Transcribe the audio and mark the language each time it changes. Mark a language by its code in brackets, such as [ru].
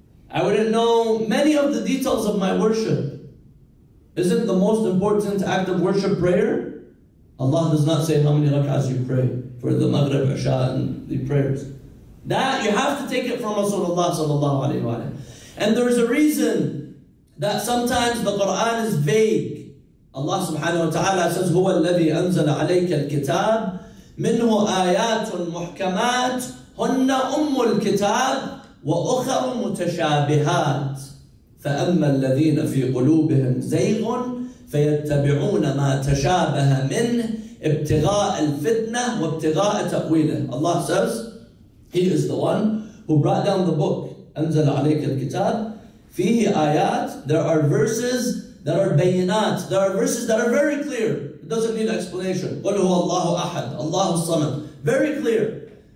[en] I wouldn't know many of the details of my worship. Isn't the most important act of worship prayer? Allah does not say how many rak'ahs you pray for the Maghrib, Isha, and the prayers. That, you have to take it from Rasulullah sallallahu alayhi wa sallam. And there is a reason that sometimes the Qur'an is vague. [ar] Allah subhanahu wa ta'ala says, هُوَ الَّذِي أَنزَلَ عَلَيْكَ الْكِتَابِ مِنْهُ آيَاتٌ مُحْكَمَاتٌ هُنَّ أُمُّ الْكِتَابِ وَأُخَرُ مُتَشَابِهَاتٌ فَأَمَّا الَّذِينَ فِي قُلُوبِهِمْ زَيْغٌ فَيَتَّبِعُونَ مَا تَشَابَهَ مِنْهِ ابْتِغَاءَ الْفِتْنَةِ وَابْتِغَاءَ تَأْوِيلِهِ. [en] Allah says, He is the one who brought down the book, [ar] أَنزَلَ عَلَيْكَ الْكِتَابِ فِيهِ آيَاتٍ. [en] There are verses that are bayinat. There are verses that are very clear. It doesn't need explanation. [ar] قُلْ هُوَ اللَّهُ أَحَدٌ اللَّهُ الصَّمَدُ. [en] Very clear.